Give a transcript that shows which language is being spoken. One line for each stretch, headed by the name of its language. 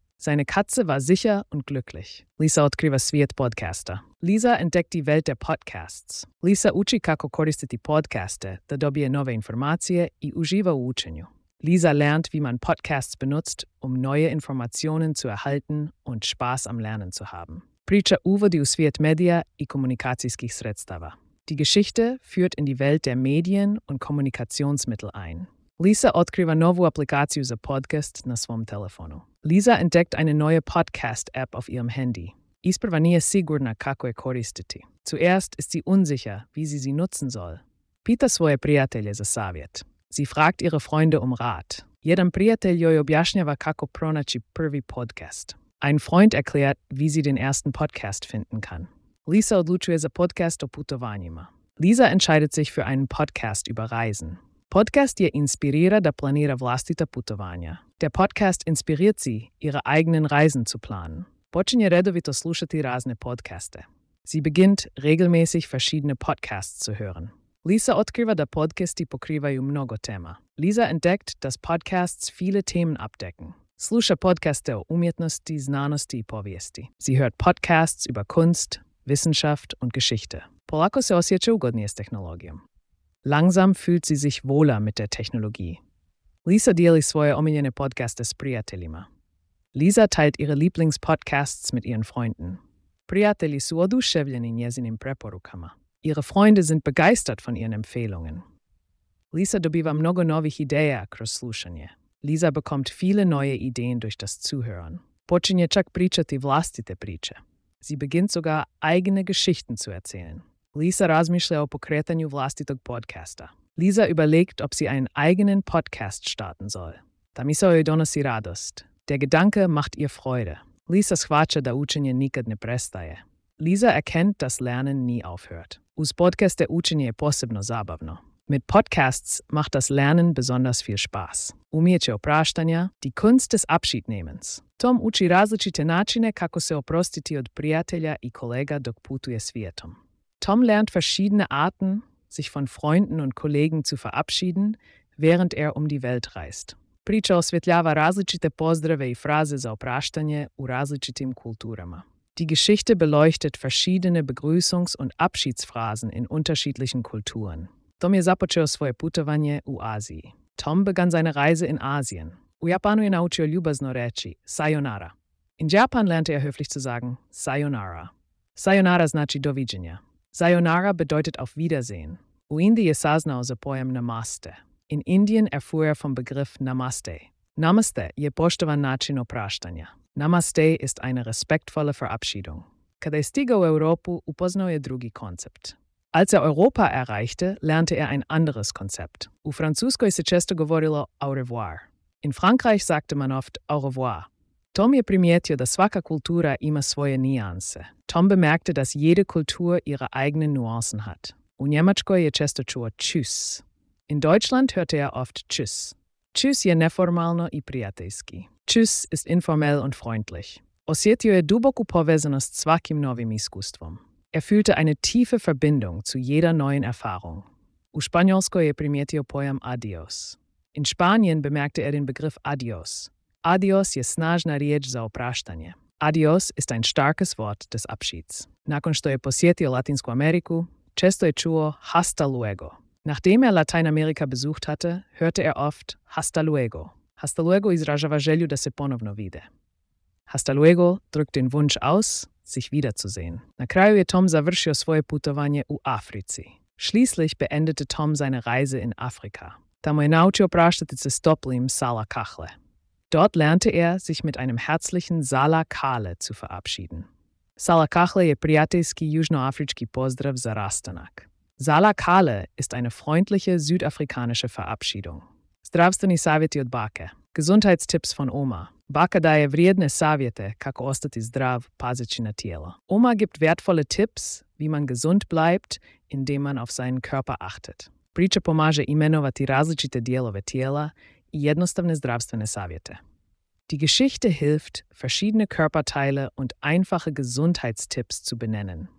German: Seine Katze war sicher und glücklich.
Croatian: Lisa otkriva svijet podcasta.
German: Lisa entdeckt die Welt der Podcasts.
Croatian: Lisa uči kako koristiti podcaste, da dobije nove informacije i uživa u učenju.
German: Lisa lernt, wie man Podcasts benutzt, um neue Informationen zu erhalten und Spaß am Lernen zu haben.
Croatian: Priča uvodi u svijet medija i komunikacijskih sredstava.
German: Die Geschichte führt in die Welt der Medien und Kommunikationsmittel ein.
Croatian: Lisa otkriva novu aplikaciju za podcast na svom telefonu.
German: Lisa entdeckt eine neue Podcast-App auf ihrem Handy.
Croatian: Isprva nije sigurna kako je koristiti.
German: Zuerst ist sie unsicher, wie sie sie nutzen soll.
Croatian: Pita svoje prijatelje za savjet.
German: Sie fragt ihre Freunde um Rat.
Croatian: Jedan prijatelj joj objašnjava kako pronaći prvi podcast.
German: Ein Freund erklärt, wie sie den ersten Podcast finden kann.
Croatian: Lisa odlučuje za podcast o putovanjima.
German: Lisa entscheidet sich für einen Podcast über Reisen.
Croatian: Podcast je inspirira da planira vlastita putovanja.
German: Der Podcast inspiriert sie, ihre eigenen Reisen zu planen.
Croatian: Počinje redovito slušati razne podcaste.
German: Sie beginnt, regelmäßig verschiedene Podcasts zu hören.
Croatian: Lisa otkriva da podcasti pokrivaju mnogo tema.
German: Lisa entdeckt, dass Podcasts viele Themen abdecken.
Croatian: Sluša podcaste o umjetnosti, znanosti i povijesti.
German: Sie hört Podcasts über Kunst, Wissenschaft und Geschichte.
Croatian: Polako se osjeća ugodnije s tehnologijom.
German: Langsam fühlt sie sich wohler mit der Technologie.
Croatian: Lisa dijeli svoje omiljene podcaste s prijateljima.
German: Lisa teilt ihre Lieblingspodcasts mit ihren Freunden.
Croatian: Prijatelji su oduševljeni njezinim preporukama.
German: Ihre Freunde sind begeistert von ihren Empfehlungen.
Croatian: Lisa dobiva mnogo novih ideja kroz slušanje.
German: Lisa bekommt viele neue Ideen durch das Zuhören.
Croatian: Počinje čak pričati vlastite priče.
German: Sie beginnt sogar eigene Geschichten zu erzählen.
Croatian: Lisa razmišlja o pokretanju vlastitog podcasta.
German: Lisa überlegt, ob sie einen eigenen Podcast starten soll.
Croatian: Da misao joj donosi radost.
German: Der Gedanke macht ihr Freude.
Croatian: Lisa shvaća da učenje nikad ne prestaje.
German: Lisa erkennt, dass Lernen nie aufhört.
Croatian: Uz podcaste učenje je posebno zabavno.
German: Mit Podcasts macht das Lernen besonders viel Spaß.
Croatian: Umijeće opraštanja,
German: die Kunst des Abschiednehmens.
Croatian: Tom uči različite načine kako se oprostiti od prijatelja i kolega dok putuje svijetom.
German: Tom lernt verschiedene Arten, sich von Freunden und Kollegen zu verabschieden, während er um die Welt reist.
Croatian: Priča osvjetljava različite pozdrave i fraze za opraštanje u različitim kulturama.
German: Die Geschichte beleuchtet verschiedene Begrüßungs- und Abschiedsphrasen in unterschiedlichen Kulturen.
Croatian: Tom je započeo svoje putovanje u Aziji.
German: Tom begann seine Reise in Asien.
Croatian: U Japanu je naučio ljubazno reći sayonara.
German: In Japan lernte er höflich zu sagen sayonara.
Croatian: Sayonara znači doviđenja.
German: Sayonara bedeutet auf Wiedersehen.
Croatian: U Indiji je saznao za pojam namaste.
German: In Indien erfuhr er vom Begriff namaste.
Croatian: Namaste je poštovan način opraštanja.
German: Namaste ist eine respektvolle Verabschiedung.
Croatian: Kada je stigao u Europu, upoznao je drugi koncept.
German: Als er Europa erreichte, lernte er ein anderes Konzept.
Croatian: U Franzuskoj se često govorilo au revoir.
German: In Frankreich sagte man oft au revoir.
Croatian: Tom je primijetio da svaka kultura ima svoje nijanse.
German: Tom bemerkte, dass jede Kultur ihre eigenen Nuancen hat.
Croatian: U Njemačkoj je često čuo tschüss.
German: In Deutschland hörte er oft tschüss.
Croatian: Tschüss je neformalno i prijateljski.
German: Tschüss ist informell und freundlich.
Croatian: Osjetio je duboku povezanost svakim novim iskustvom.
German: Er fühlte eine tiefe Verbindung zu jeder neuen Erfahrung.
Croatian: U Spanjolskoj je primijetio pojam adios.
German: In Spanien bemerkte er den Begriff adios.
Croatian: Adios je snažna riječ za opraštanje.
German: Adios ist ein starkes Wort des Abschieds.
Croatian: Nakon što je posjetio Latinsku Ameriku, često je čuo hasta luego.
German: Nachdem er Lateinamerika besucht hatte, hörte er oft hasta luego.
Croatian: Hasta luego izražava želju da se ponovno vide.
German: Hasta luego drückt den Wunsch aus, sich wiederzusehen.
Croatian: Na kraju je Tom završio svoje putovanje u Africi.
German: Schließlich beendete Tom seine Reise in Afrika.
Croatian: Tamo je naučio praštati se s toplim sala kahle.
German: Dort lernte er, sich mit einem herzlichen sala kahle zu verabschieden.
Croatian: Sala kahle je prijateljski južnoafrički pozdrav za rastanak.
German: Sala kahle ist eine freundliche südafrikanische Verabschiedung.
Croatian: Zdravstveni savjeti od bake.
German: Gesundheitstipps von Oma.
Croatian: Baka daje vrijedne savjete kako ostati zdrav pazeći na tijelo.
German: Oma gibt wertvolle Tipps, wie man gesund bleibt, indem man auf seinen Körper achtet.
Croatian: Priča pomaže imenovati različite dijelove tijela i jednostavne zdravstvene savjete.
German: Die Geschichte hilft, verschiedene Körperteile und einfache Gesundheitstipps zu benennen.